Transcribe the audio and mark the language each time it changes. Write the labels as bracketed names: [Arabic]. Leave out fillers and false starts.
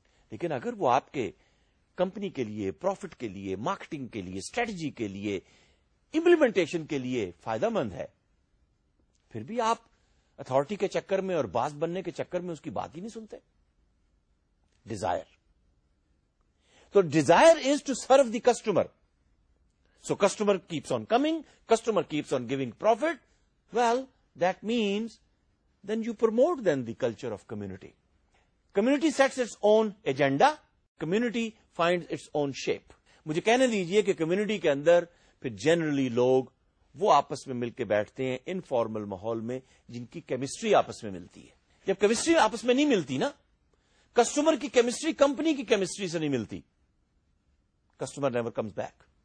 [Urdu] لیکن اگر وہ آپ کے کمپنی کے لیے، پروفٹ کے لیے، مارکیٹنگ کے لیے، اسٹریٹجی کے لیے، امپلیمنٹیشن کے لیے فائدہ مند ہے، پھر بھی آپ اتھارٹی کے چکر میں اور باس بننے کے چکر میں اس کی بات ہی نہیں سنتے. [English] Desire. تو desire is to serve the customer. So customer keeps on coming, customer keeps on giving profit, well that means then you promote then the culture of community. Community sets its own agenda, community finds its own shape. [Urdu] مجھے کہنے دیجئے کہ community کے اندر پھر generally لوگ وہ آپس میں مل کے بیٹھتے ہیں انفارمل ماحول میں جن کی کیمسٹری آپس میں ملتی ہے. جب کیمسٹری آپس میں نہیں ملتی نا، کسٹمر کی کیمسٹری کمپنی کی کیمسٹری سے نہیں ملتی، [English] Customer never comes back.